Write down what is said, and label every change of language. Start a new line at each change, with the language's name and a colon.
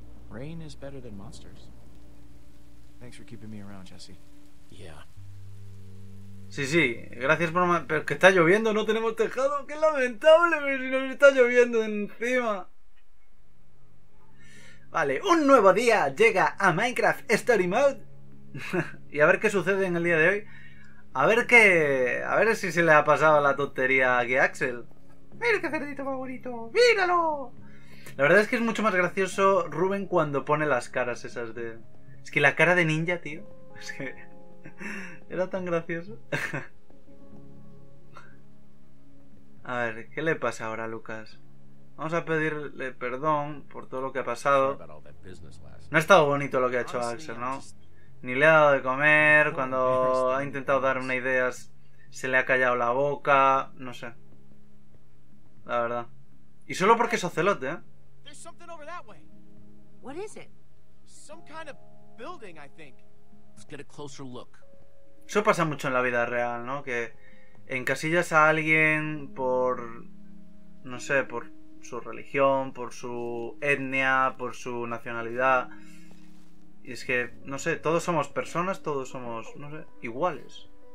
English: Rain is better than monsters. Thanks for keeping me around, Jesse. Yeah.
Spanish: Sí, sí. Gracias por... pero que está lloviendo, no tenemos tejado. Qué lamentable, pero si nos está lloviendo encima. Vale, un nuevo día llega a Minecraft Story Mode. Y a ver qué sucede en el día de hoy. A ver qué... a ver si se le ha pasado la tontería aquí a Axel. ¡Mira qué cerdito favorito! ¡Míralo! La verdad es que es mucho más gracioso Rubén cuando pone las caras esas de... es que la cara de ninja, tío. Es que... era tan gracioso. A ver, ¿qué le pasa ahora a Lucas? Vamos a pedirle perdón por todo lo que ha pasado. No ha estado bonito lo que ha hecho Axel, ¿no? Ni le ha dado de comer, cuando ha intentado dar una idea se le ha callado la boca... no sé. La verdad. Y solo porque es ocelote, ¿eh?
English: There's something over that way. What is it? Some kind of building, I think. Let's get a closer look.
Spanish: Eso pasa mucho en la vida real, ¿no? Que encasillas a alguien por, no sé, por su religión, por su etnia, por su nacionalidad. Y es que, no sé, todos somos personas, todos somos, no sé, iguales.